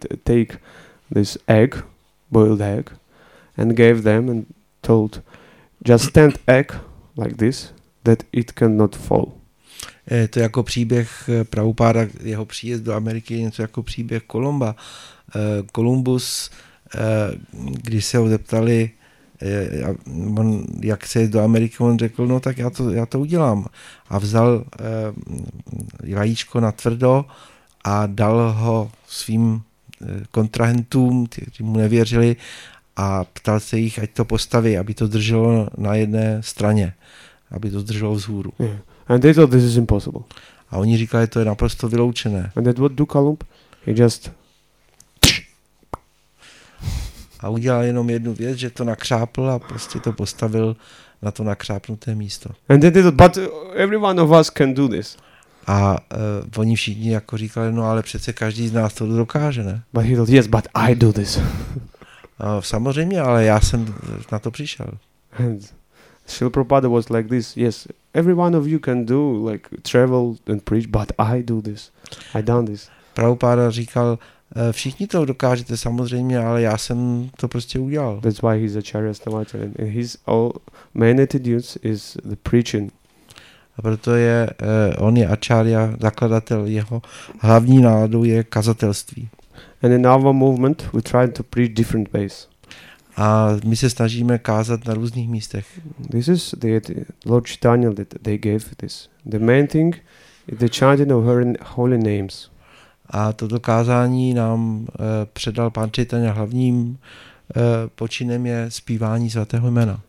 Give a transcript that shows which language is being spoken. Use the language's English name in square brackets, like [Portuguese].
[English] Take this egg, boiled egg, and gave them and told, just stand egg like this, that it cannot fall. [Czech] To jako příběh Prabhupada, jeho příjezd do Ameriky, něco jako příběh Kolumba. Kolumbus, když se ho zeptali, on, jak se jezdí do Ameriky, on řekl, no tak já to udělám. A vzal vajíčko na tvrdo a dal ho svým kontrahentům, kteří mu nevěřili, a ptal se jich, ať to postaví, aby to drželo na jedné straně, aby to drželo vzhůru. [English] Yeah. And they thought this is impossible. [Czech] A oni říkali, to je naprosto vyloučené. [English] And that what do Columb? He just... [Czech] A udělal jenom jednu věc, že to nakřápl a prostě to postavil na to nakřápnuté místo. [English] And they thought, but every one of us can do this. [Czech] A oni všichni jako říkali, no ale přece každý z nás to dokáže, ne? [English] But he thought, yes, but I do this. [Czech] A samozřejmě, ale já jsem na to přišel. [English] And Srila Prabhupada was like this, yes, every one of you can do, like, travel and preach, but I do this, I done this. [Czech] Prabhupada říkal, všichni to dokážete samozřejmě, ale já jsem to prostě udělal. [English] That's why he's Acharya Snavata, and his all main attitudes is the preaching. [Czech] A proto je, on je Acharya, zakladatel, jeho hlavní náladou je kazatelství. [English] And in our movement, we try to preach different ways. [Czech] A my se snažíme kázat na různých místech. [English] This is the Lord Chaitanya that they gave this. The main thing is the chanting of her holy names. [Czech] A toto kázání nám předal pán Chaitanya. Hlavním počinem je zpívání svatého jména.